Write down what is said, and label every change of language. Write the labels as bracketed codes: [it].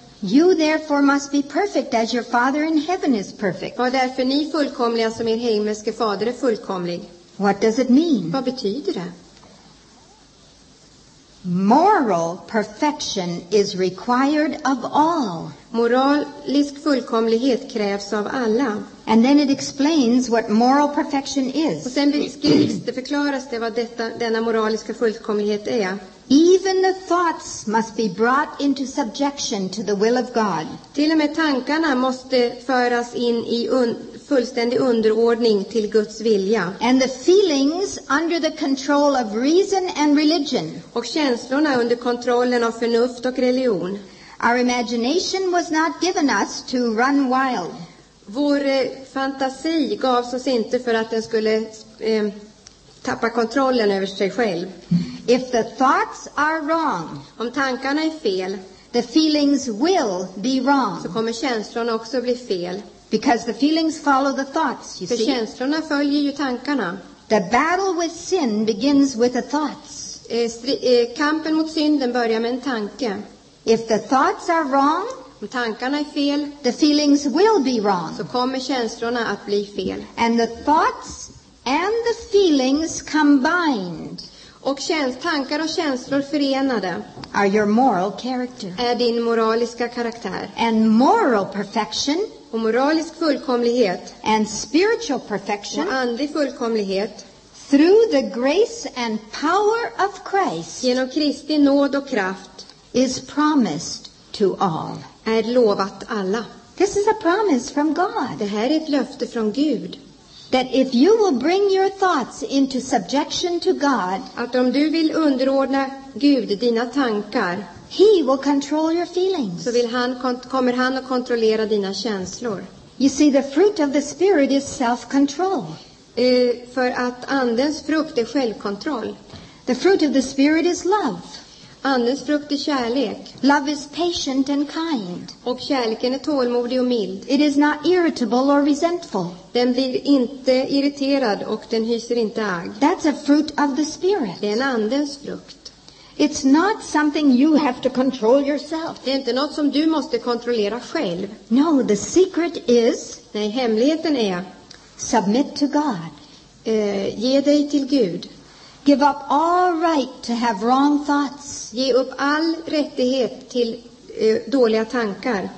[en] You therefore must be perfect as your Father in heaven is perfect. [sv] Var därför ni fullkomliga som er himmelske fader är fullkomlig. [en] What does it mean? [sv] Vad betyder det? [en] Moral perfection is required of all. [sv] Moralisk fullkomlighet krävs av alla. [en] And then it explains what moral perfection is. [sv] Och sen beskrivs det, förklaras det vad detta, denna moraliska fullkomlighet är. [en] Even the thoughts must be brought into subjection to the will of God. [sv] Till och med tankarna måste föras in i fullständig underordning till Guds vilja. [en] And the feelings under the control of reason and religion. [sv] Och känslorna under kontrollen av förnuft och religion. [en] Our imagination was not given us to run wild. [sv] Vår fantasi gavs oss inte för att den skulle tappa kontrollen över sig själv. [en] If the thoughts are wrong, [sv] om tankarna är fel, [en] the feelings will be wrong. [sv] Så kommer känslorna också bli fel. [en] Because the feelings follow the thoughts, you see. [sv] För känslorna följer ju tankarna. [en] The battle with sin begins with the thoughts. [sv] Kampen mot synden börjar med en tanke. [en] If the thoughts are wrong, [sv] om tankarna är fel, [en] the feelings will be wrong. [sv] Så kommer känslorna att bli fel. [en] And the thoughts and the feelings combined. [sv] Och tankar och känslor förenade. [en] Are your moral character. [sv] Är din moraliska karaktär. [en] And moral perfection. [sv] Och moralisk fullkomlighet. [en] And spiritual perfection. [sv] Och andlig fullkomlighet. [en] Through the grace and power of Christ. [sv] Genom Kristi nåd och kraft. [en] Is promised to all. [sv] Är lovat alla. [en] This is a promise from God. [sv] Det här är ett löfte från Gud. [en] That if you will bring your thoughts into subjection to God, [sv] att om du vill underordna Gud dina tankar, [en] he will control your feelings. [sv] Så vill han, kommer han att kontrollera dina känslor. [en] You see, the fruit of the spirit is self-control. [sv] För att andens frukt är självkontroll. [en] The fruit of the spirit is love. [sv] Andens frukt är kärlek. [en] Love is patient and kind. [sv] Och kärleken är tålmodig och mild. [en] It is not irritable or resentful. [sv] Den blir inte irriterad och den hyser inte agg. [en] That's a fruit of the spirit. [sv] Det är en andens frukt. [en] It's not something you have to control yourself. [sv] Det är inte något som du måste kontrollera själv. [en] No, the secret is. [sv] Nej, hemligheten är. [en] Submit to God. [sv] Ge dig till Gud. [en] Give up all right to have wrong thoughts. [sv] Ge upp all rättighet till dåliga tankar.